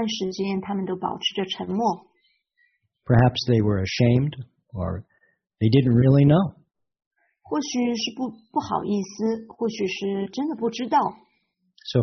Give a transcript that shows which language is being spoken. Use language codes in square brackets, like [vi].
[zh] 有很长一段时间他们都保持着沉默。 [en] Perhaps they were ashamed, or they didn't really know. [zh] 或许是不好意思，或许是真的不知道。 [en] So